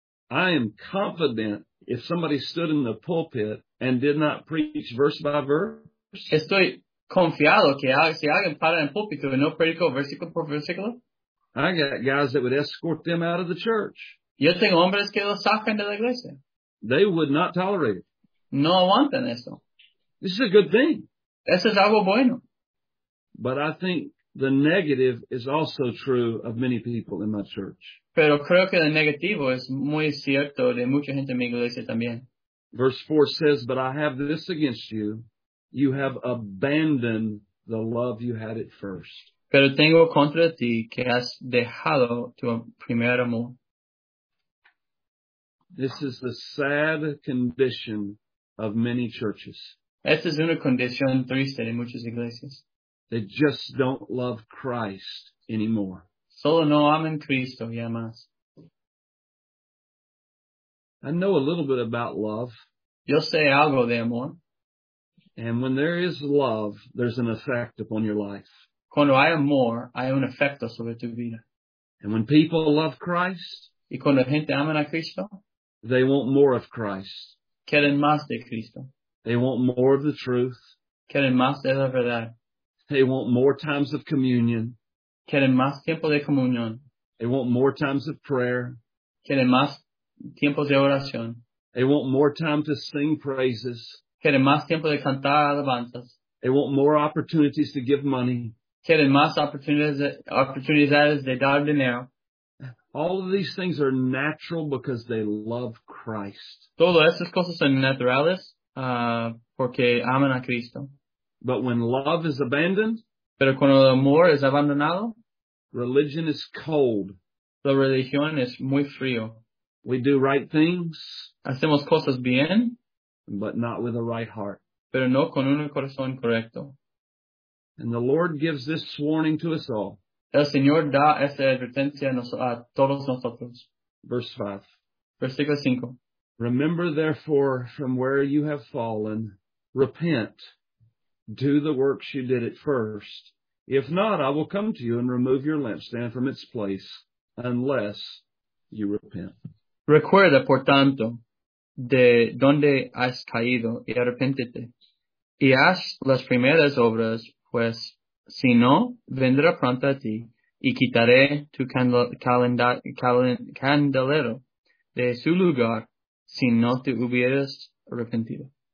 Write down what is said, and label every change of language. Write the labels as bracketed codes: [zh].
[en] I am confident if somebody stood in the pulpit and did not preach verse by verse. [es] Estoy confiado que si alguien para en púlpito y no predicó versículo por versículo. [en] I got guys that would escort them out of the church. [es] Yo tengo hombres que los sacan de la iglesia. [en] They would not tolerate it. [es] No aguantan eso. [en] This is a good thing. [es] Eso es algo bueno. [en] But I think the negative is also true of many people in my church. [es] Pero creo que el negativo es muy cierto de mucha gente en mi iglesia también. [en] Verse 4 says, but I have this against you. You have abandoned the love you had at first. [es] Pero tengo contra ti que has dejado tu primer amor. [en] This is the sad condition of many churches. [es] Esta es una condición triste de muchas iglesias. [en] They just don't love Christ anymore. [es] Solo no aman Cristo ya más. [en] I know a little bit about love. [es] Yo sé algo de amor. [en] And when there is love, there's an effect upon your life. [es] Cuando hay amor, hay un efecto sobre tu vida. [en] And when people love Christ, [es] y cuando gente ama a Cristo, [en] they want more of Christ. [es] Quieren más de Cristo. [en] They want more of the truth. [es] Quieren más de la verdad. [en] They want more times of communion. [es] Quieren más tiempo de comunión. [en] They want more times of prayer. [es] Quieren más tiempos de oración. [en] They want more time to sing praises. [es] Quieren más tiempo de cantar alabanzas. [en] They want more opportunities to give money. [es] Quieren más oportunidades de dar dinero. [en] All of these things are natural because they love Christ. [es] Todas estas cosas son naturales porque aman a Cristo. [en] But when love is abandoned, [es] pero cuando el amor es abandonado, [en] religion is cold. [es] La religión es muy frío. [en] We do right things. [es] Hacemos cosas bien. [en] But not with a right heart. [es] Pero no con un corazón correcto. [en] And the Lord gives this warning to us all. [es] El Señor da esta advertencia a todos nosotros. [en] Verse 5. [es] Versículo 5. [en] Remember therefore from where you have fallen, repent. Do the works you did at first. If not, I will come to you and remove your lampstand from its place, unless you repent. [es] Recuerda, por tanto, de donde has caído y arrepéntete. Y haz las primeras obras, pues, si no, vendrá pronto a ti y quitaré tu candelero de su lugar, si no te hubieras arrepentido.